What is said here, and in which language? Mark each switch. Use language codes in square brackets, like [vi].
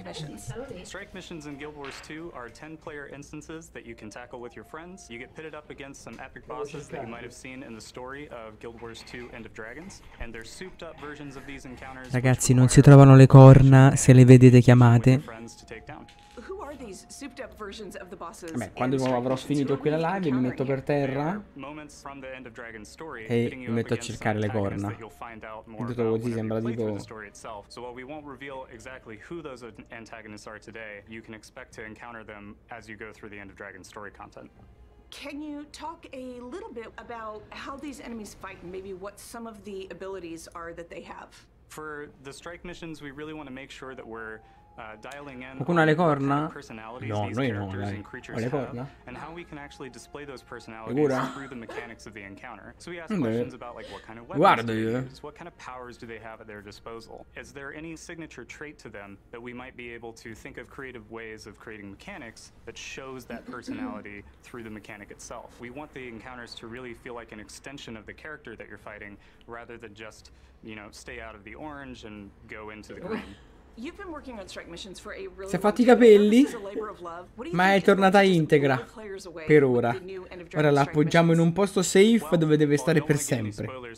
[en] Strike missions in Guild Wars 2 are 10 player instances that you can tackle with your friends. You get pitted up against some epic bosses that you might have seen in the story of Guild Wars 2 End of Dragons, and they're souped up versions of these encounters. [it] Ragazzi, non si trovano le corna, se le vedete chiamate. [en] Who are these souped up versions of the bosses? [it] Beh, quando avrò finito qui la live, mi metto per terra e mi metto a cercare le corna. Tutto così sembra tipo. [en] So while we won't reveal exactly who those antagonists are today, you can expect to encounter them as you go through the End of Dragons story content. Can you talk a little bit about how these enemies fight and maybe what some of the abilities are that they have? For the strike missions, we really want to make sure that we're dialing in. [it] Qualcuno ha le corna? No, noi no, dai. Ho le corna? [en] And how we can actually display those personalities through the mechanics of the encounter. So we ask questions about like what kind of weapons they use, what kind of powers do they have at their disposal? Is there any signature trait to them that we might be able to think of creative ways of creating mechanics that shows that personality through the mechanic itself? We want the encounters to really feel like an extension of the character that you're fighting rather than just, you know, stay out of the orange and go into the green. You've been working on strike missions for a really [it] si è fatti i capelli, ma è tornata integra per ora. Ora la appoggiamo in un posto safe dove deve stare per sempre.